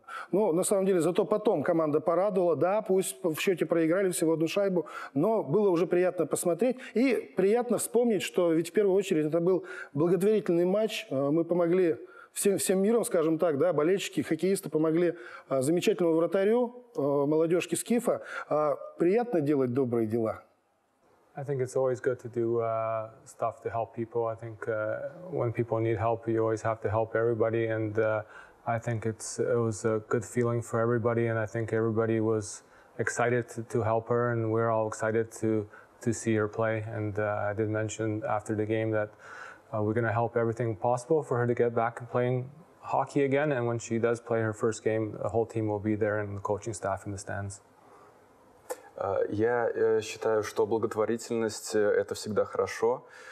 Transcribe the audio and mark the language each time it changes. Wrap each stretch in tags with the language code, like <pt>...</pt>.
<ru>Ну, на самом деле, зато потом команда порадовала. Да, пусть в счете проиграли всего 1 шайбу, но было уже приятно посмотреть. И приятно вспомнить, что ведь в первую очередь это был благотворительный матч. Мы помогли всем миром, скажем так, да, болельщики, хоккеисты помогли замечательному вратарю молодежки Скифа. Приятно делать добрые дела.</ru> <en>I think it's always good to do stuff to help people. I think when people need help, you always have to help everybody. And I think it was a good feeling for everybody. And I think everybody was excited to help her. And we're all excited to see her play. And I did mention after the game that we're going to help everything possible for her to get back and playing hockey again. And when she does play her first game, the whole team will be there and the coaching staff in the stands.</en> <ru>Я считаю, что благотворительность – это всегда хорошо.</ru>